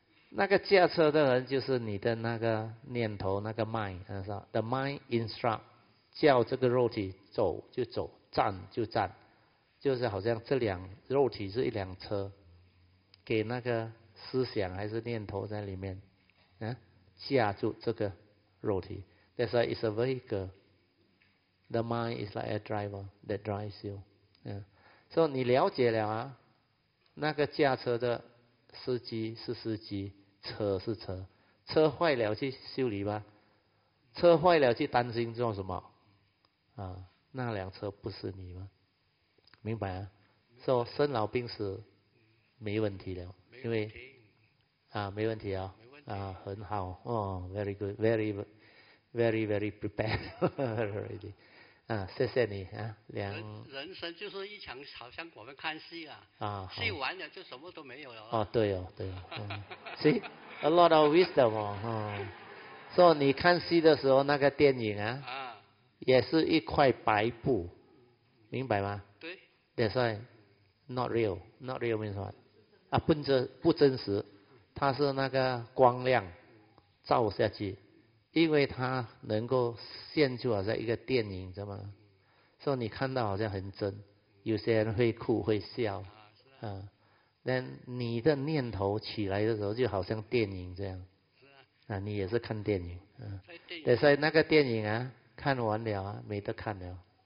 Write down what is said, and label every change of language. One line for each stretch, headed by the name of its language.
Chinese: 那个驾车的人就是你的那个念头，那个 mind，
English: the mind instruct，
Chinese: 叫这个肉体走就走，站就站，就是好像这辆肉体是一辆车，给那个思想还是念头在里面，啊，驾住这个肉体。
English: That's why it's a vehicle. The mind is like a driver that drives you.
Chinese: 嗯，所以你了解了啊，那个驾车的司机是司机，车是车，车坏了去修理吧，车坏了去担心做什么啊？那辆车不是你吗？明白啊？说、so, 生老病死没问题了，因为啊没问题啊、哦、啊很好哦 ，
English: very good， very very very prepared already
Chinese: 啊，谢谢你啊，两人生就是一场好像我们看戏啊，啊戏完了就什么都没有了哦，对哦对哦，嗯，
English: see a lot of wisdom
Chinese: 哦，嗯，所以你看戏的时候那个电影啊，啊也是一块白布，明白吗？对
English: ，that's why not real， not real means what？
Chinese: 啊，不真实，它是那个光亮照下去，因为它能够现出好像一个电影，知道吗？所以你看到好像很真，有些人会哭会笑，啊，那你的念头起来的时候就好像电影这样，啊，你也是看电影，嗯、啊，所以那个电影啊，看完了啊，没得看了，